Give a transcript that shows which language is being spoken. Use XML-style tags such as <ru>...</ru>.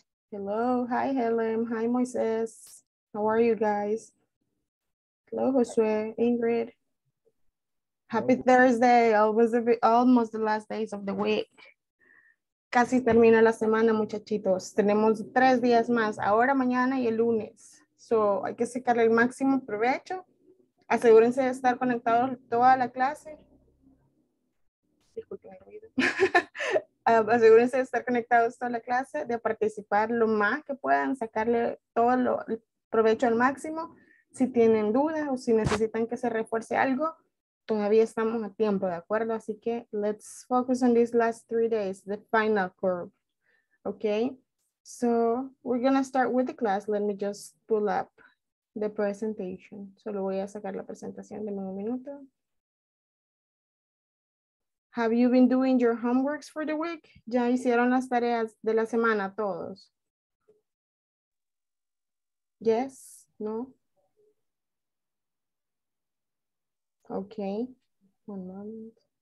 <en>Hello, hi Helen, hi Moises, how are you guys? Hello Josue, Ingrid. Happy Hello. Thursday, almost the last days of the week.</en> <es>Casi termina la semana, muchachitos. Tenemos tres días más, ahora, mañana y el lunes. So, hay que sacarle el máximo provecho. Asegúrense de estar conectados toda la clase. Disculpen el ruido. Asegúrense de estar conectados toda la clase, de participar lo más que puedan, sacarle todo el provecho al máximo. Si tienen dudas o si necesitan que se refuerce algo, todavía estamos a tiempo, ¿de acuerdo? Así que</es> <en>let's focus on these last three days, the final curve. Okay, so we're gonna start with the class. Let me just pull up the presentation.</en> <es>Solo voy a sacar la presentación de un minuto.</es> <en>Have you been doing your homeworks for the week?</en> <es>¿Ya hicieron las tareas de la semana todos?</es> <en>Yes, no? Okay, one moment.</en>